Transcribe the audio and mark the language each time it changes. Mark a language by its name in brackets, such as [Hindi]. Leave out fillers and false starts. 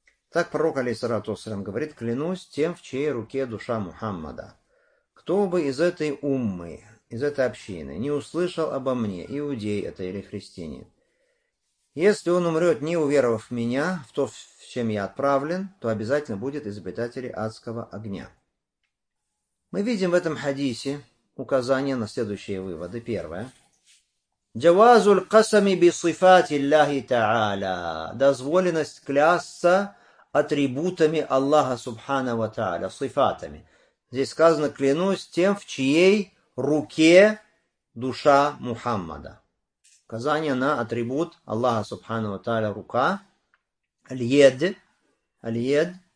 [Russian] Так пророк, алейхиссалату вассалям, говорит: «Клянусь тем, в чьей руке душа Мухаммада, кто бы из этой уммы, из этой общины, не услышал обо мне, иудей это или христианин, если он умрет, не уверовав в меня, в то, в чем я отправлен, то обязательно будет из обитателей адского огня». Мы видим в этом хадисе указание на следующие выводы. Первое. [Arabic] جواز القسم بصفات الله تعالى. [Russian] Дозволенность клясться атрибутами Аллаха Субханаху ва Тааля, сифатами. Здесь сказано: клянусь тем, в чьей руке душа Мухаммада. Указание на атрибут Аллаха Субхана ва Тааля, рука, аль-йед, аль-йед.